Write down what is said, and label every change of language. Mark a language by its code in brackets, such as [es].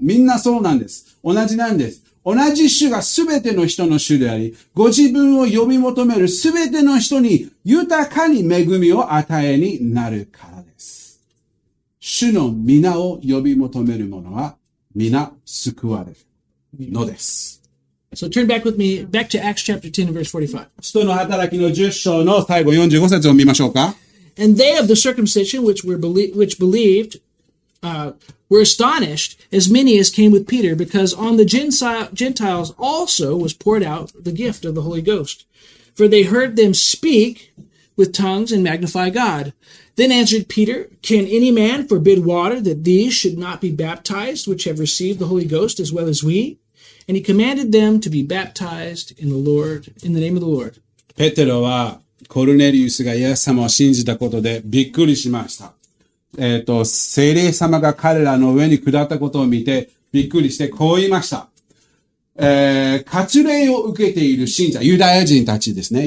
[ja] みんなそうなんです。同じなんです。同じ主がすべての人の主であり、ご自分を呼び求めるすべての人に豊かに恵みを与えになるからです。主の皆を呼び求める者は皆救われるのです。 [en] So turn back with me back to Acts chapter 10 verse 45. [ja] 使徒の働きの10章の最後45節を見ましょうか。 [en] And they of the circumcision which believed,were astonished as many as came with Peter, because on the Gentiles also was poured out the gift of the Holy Ghost. For they heard them speak with tongues and magnify God. Then answered Peter, Can any man forbid water that these should not be baptized which have received the Holy Ghost as well as we? And he commanded them to be baptized in the Lord, in the name of the Lord. [ja] ペテロはコルネリウスがイエス様を信じたことでびっくりしました。聖霊様が彼らの上に下ったことを見てびっくりしてこう言いました。割礼を受けている信者、ユダヤ人たちですね。